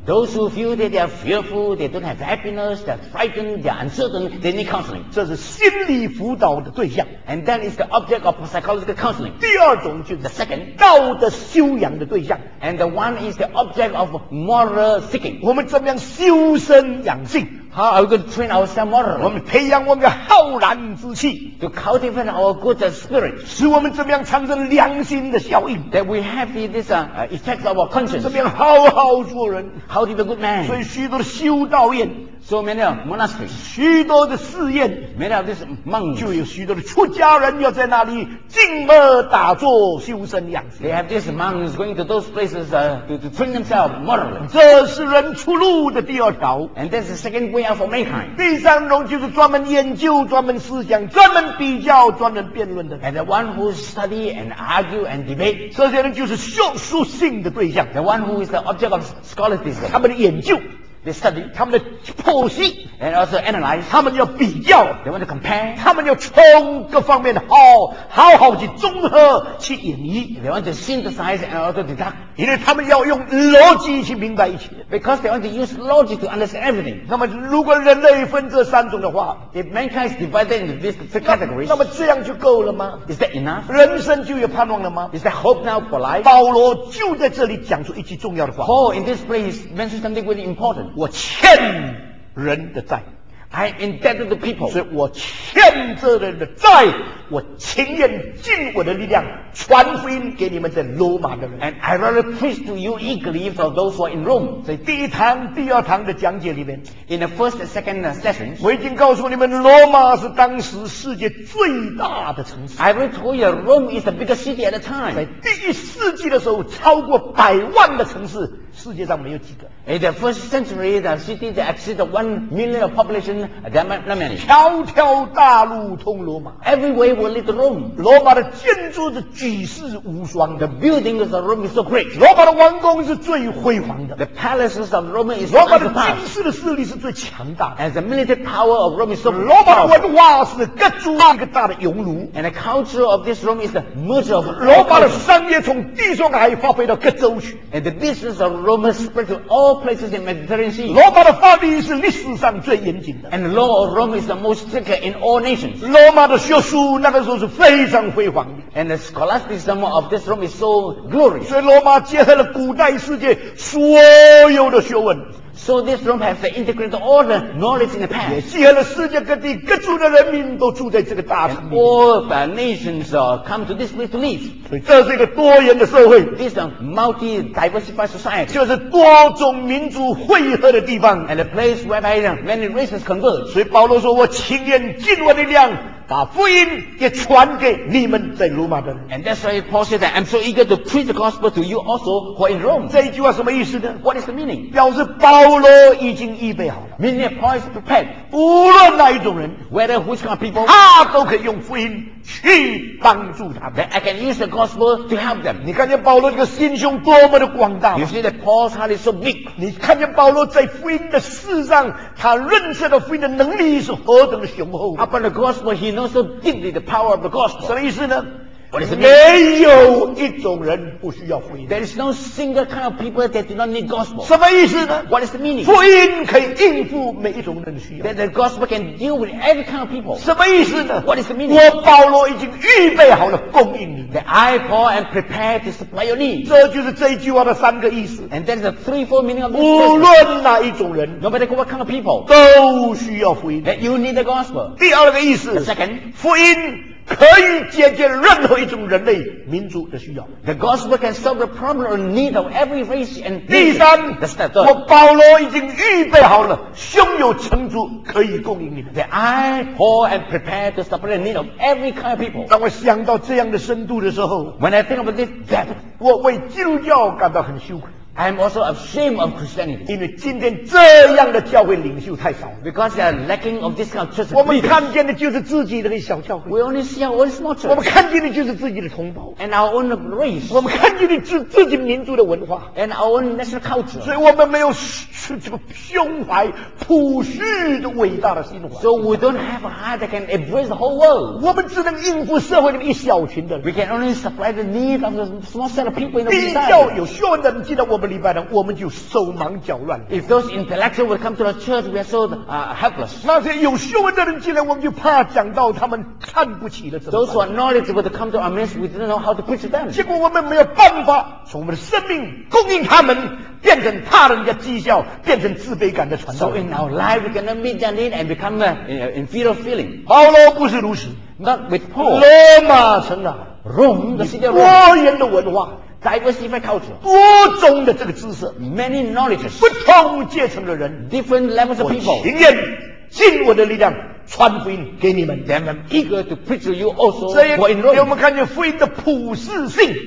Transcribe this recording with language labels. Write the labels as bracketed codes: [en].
[en] Those who feel that they are fearful, they don't have happiness, they're frightened, they're uncertain, they need counseling. [zh] 这是心理辅导的对象。 [en] And that is the object of psychological counseling. [zh] 第二种就是 [en] the second [zh] 道德修养的对象。 [en] And the one is the object of moral seeking. [zh] 我们怎么样修身养性？ [en] How are we going to train ourselves morally? [zh] 我们培养我们的浩然之气 [en] to cultivate our good spirit, [zh] 使我们怎么样产生良心的效应 [en] that we have this effect of our conscience. [zh] 怎么样好好做人 [en] how to be a good man. [zh] 所以许多的修道院 [en] so many monasteries, [zh] 许多的寺院 [en] many of these monks, [zh] 就有许多的出家人要在那里静默打坐修身养性 [en] they have these monks going to those places to train themselves morally. [zh] 这是人出路的第二条 [en] and that's the second way. For mankind. [zh] 第三种就是专门研究、专门思想、专门比较、专门辩论的。 [en] And the one who study and argue and debate. [zh] 这些人就是学术性的对象。 [en] The one who is the object of scholarism. [zh] 他们的研究。 [en] They study. [zh] 他们的剖析。 [en] And also analyze. [zh] 他们要比较。 [en] They want to compare. [zh] 他们要从各方面好好好去综合去演绎。 [en] They want to synthesize and also deduct. [zh] 因为他们要用逻辑去明白一切 [en] because they want to use logic to understand everything [zh] 那么如果人类分这三种的话 [en] if mankind is divided into these three categories [zh] 那么这样就够了吗 [en] is that enough [zh] 人生就有盼望了吗 [en] is that hope now for life [zh] 保罗就在这里讲出一句重要的话 [en] Paul in this place mentioned something really important [zh] 我欠人的债 [en] I am indebted to people [zh] 所以我欠这人的债我情愿尽我的力量传福音给你们在罗马的人 [en] and I rather preach to you eagerly for those who are in Rome [zh] 在第一堂第二堂的讲解里面 [en] in the first and second sessions [zh] 我已经告诉你们罗马是当时世界最大的城市 [en] I already told you Rome is the biggest city at the time [zh] 在第一世纪的时候超过百万的城市世界上没有几个 [en] in the first century the city that exceeded 1 million of population there are not many [zh] 条条大路通罗马 [en] everywhereWe lit Rome. [zh] 罗马的建筑是举世无双。 [en] The building of Rome is so great. [zh] 罗马的王宫是最辉煌的。 [en] The palaces of Rome is [zh] 罗马的军事的势力是最强大的。 [en] And the military power of Rome is so powerful. [zh] 罗马的文化是各族一个大的熔炉。 [en] And the culture of this Rome is the merger of [zh] 罗马的商业从地中海发挥到各州去。 [en] And the business of Rome spread to all places in the Mediterranean Sea. [zh] 罗马的法律是历史上最严谨的。 [en] And the law of Rome is the most strict in all nations. [zh] 罗马的学术那个时候是非常辉煌的 [en] and the scholasticism of this Rome is so glorious [zh] 所以罗马结合了古代世界所有的学问 [en] so this Rome has integrated all the knowledge in the past [zh] 也结合了世界各地各族的人民都住在这个大城 [en] all the nations come to this place to live [zh] 所以这是一个多元的社会 [en] this is a multi-diversified society [zh] 就是多种民族汇合的地方 [en] and a place where many races converge [zh] 所以保罗说我情愿尽我的力量把福音也传给你们在罗马的人。 [en] And that's why Paul said that I'm so eager to preach the gospel to you also who are in Rome. [zh] 这一句话什么意思呢 [en] ？What is the meaning？ [zh] 表示保罗已经预备好了。 [en] Meaning that Paul is prepared. [zh] 无论哪一种人 [en] ，whether which kind of people， [zh] 他都可以用福音去帮助他们。 [en] I can use the gospel to help them. [zh] 你看见保罗这个心胸多么的广大 [en] ？You see that Paul's heart is so big. [zh] 你看见保罗在福音的事上，他认识了福音的能力是何等的雄厚。 [en] Upon the gospel, he knows so deeply the power of the gospel. [zh] 什么意思呢？没有一种人不需要福音。 [en] There is no single kind of people that do not need gospel. [zh] 什么意思呢 [en] ？What is the meaning？ [zh] 福音可以应付每一种人的需要。 [en] That the gospel can deal with every kind of people. [zh] 什么意思呢 [en] ？What is the meaning？ [zh] 我保罗已经预备好了供应你。 [en] That I Paul am prepared to supply your need. [zh] 这就是这一句话的三个意思。 [en] And that is the threefold meaning of this. [zh] 无论哪一种人 [en] ，No matter what kind of people， [zh] 都需要福音。 [en] That you need the gospel. [zh] 第二个意思 [en] ，The second， [zh] 福音。可以解决任何一种人类民族的需要。 [en] The gospel can solve the problem or need of every race and nation. [zh] 第三 [en] That's the third. [zh] 我保罗已经预备好了，胸有成竹可以供应你们。 [en] That I, Paul, am prepared to supply the need of every kind of people. [zh] 当我想到这样的深度的时候 [en] When I think about this depth, [zh] 我为基督教感到很羞愧。 [en] I'm also ashamed of Christianity. [zh] 因为今天这样的教会领袖太少。 [en] Because they are lacking of this kind of church. [zh] 我们看见的就是自己的小教会。 [en] We only see our own small church. [zh] 我们看见的就是自己的同胞。 [en] And our own race. [zh] 我们看见的是自己民族的文化。 [en] And our own national culture. [zh] 所以我们没有这个胸怀普世的伟大的心怀。 [en] So we don't have a heart that can embrace the whole world. [zh] 我们只能应付社会里面一小群的人。 [en] We can only supply the need of a small set of people in the society. [zh] 比较有学问的人，记得我们。礼拜呢，我们就手忙脚乱。 [en] If those intellectuals would come to the church, we are so helpless. [zh] 那些有学问的人进来，我们就怕讲到他们看不起了。 [en] Those who are knowledgeable to come to our midst, we didn't know how to preach them. [zh] 结果我们没有办法从我们的生命供应他们，变成他人的讥笑，变成自卑感的传道。 [en] So in our life, we cannot meet their need and become a inferior feeling. [zh] 保罗不是如此。 [en] Not with Paul. [zh] 罗马城啊 [en] ，Rome, the city of Rome. [zh] 多元的文化。 [en] Diversified culture, [zh] 多种的这个知识 [en] many knowledges, [zh] 不同阶层的人 [en] different levels of people, [zh] 我情愿尽我的力量传福音给你们 [en] then I'm eager to preach to you also for in Rome. 所 [zh] 以我们看见福音的普世性